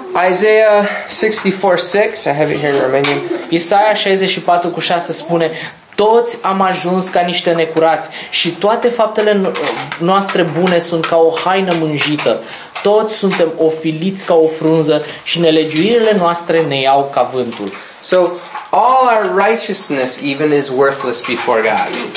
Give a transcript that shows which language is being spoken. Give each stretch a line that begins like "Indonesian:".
English: Isaiah 64:6, I have it here in Romanian.
Romanian: Isaia 64:6 spune: toți am ajuns ca niște necurați și toate faptele noastre bune sunt ca o haină mânjită. Toți suntem ofiliți ca o frunză și nelegiuirile noastre ne iau ca vântul.
English: So all our righteousness even is worthless before God.